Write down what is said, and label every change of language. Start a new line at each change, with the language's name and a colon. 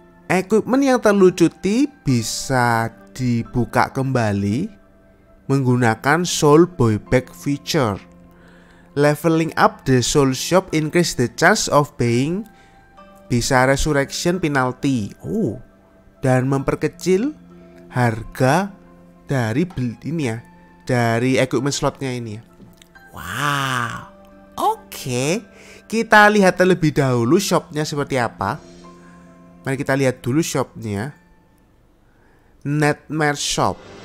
Indonesian: Equipment yang terlucuti bisa dibuka kembali menggunakan Soul Buyback feature.
English: Leveling up the Soul Shop increase the chance of being bisa resurrection penalty.
Indonesian: Oh, dan memperkecil harga dari build ini ya, dari equipment slotnya ini ya. Wow, oke. Kita lihat terlebih dahulu shopnya seperti apa. Mari kita lihat dulu shopnya. Nightmare Shop.